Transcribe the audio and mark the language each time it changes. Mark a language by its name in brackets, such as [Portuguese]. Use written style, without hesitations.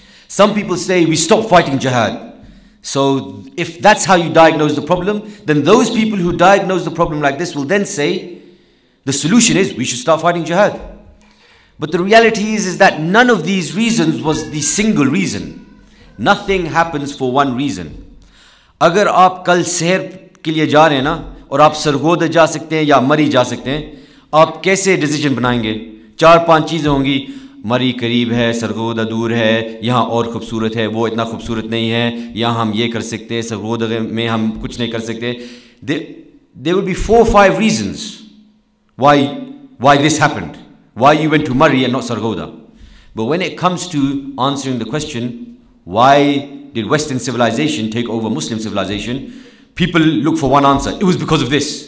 [English] Some people say, we stop fighting Jihad. So if that's how you diagnose the problem, then those people who diagnose the problem like this will then say, the solution is we should start fighting Jihad. But the reality is that none of these reasons was the single reason. Nothing happens for one reason. [Urdu] اگر آپ کل سیر کے لیے جا رہے نا، اور آپ سرگودھا جا سکتے ہیں یا مری جا سکتے ہیں، آپ کیسے decision بنائیں گے؟ چار پانچ چیزیں ہوں گی۔ مری قریب ہے، سرگودھا دور ہے، یہاں اور خوبصورت ہے، وہ اتنا خوبصورت نہیں ہے، یہاں ہم یہ کر سکتے ہیں، سرگودھا میں ہم کچھ نہیں کر سکتے۔ [English] There will be four or five reasons why this happened. why you went to Murray and not Sargodha. But when it comes to answering the question, why did Western civilization take over Muslim civilization, people look for one answer. It was because of this.